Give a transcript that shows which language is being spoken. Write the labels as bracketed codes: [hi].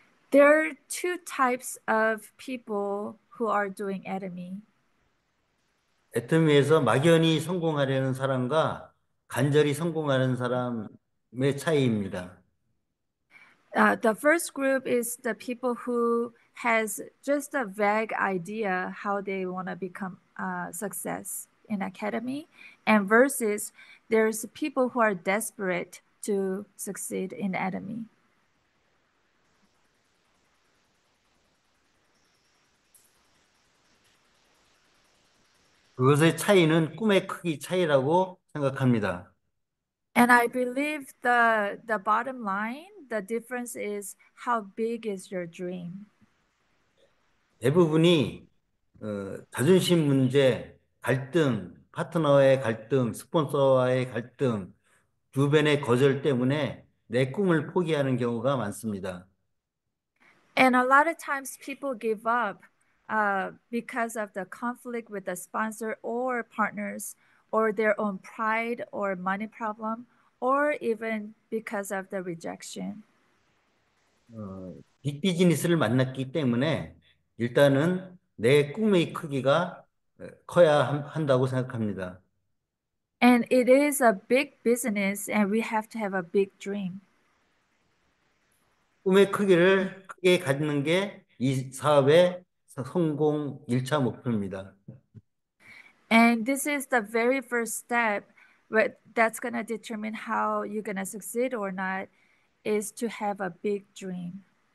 [en] There are two types of people who are doing Atomy. [ko] 애터미에서 막연히 성공하려는 사람과 간절히 성공하는 사람의 차이입니다. [en] The first group is the people who has just a vague idea how they want to become success in academy, and versus there's people who are desperate to succeed in academy. [ko] 그것의 차이는 꿈의 크기 차이라고 생각합니다. [en] And I believe the bottom line, the difference is how big is your dream? [ko] 대부분이 자존심 문제, 갈등, 파트너의 갈등, 스폰서와의 갈등, 주변의 거절 때문에 내 꿈을 포기하는 경우가 많습니다. [en] And a lot of times people give up because of the conflict with the sponsor or partners or their own pride or money problem. Or even because of the rejection. [ko] 빅 비즈니스를 만났기 때문에 일단은 내 꿈의 크기가 커야 한다고 생각합니다. [en] And it is a big business, and we have to have a big dream. [ko] 꿈의 크기를 크게 갖는 게이 사업의 성공 1차 목표입니다. [en] And this is the very first step. But that's going to determine how you're going to succeed or not is to have a big dream.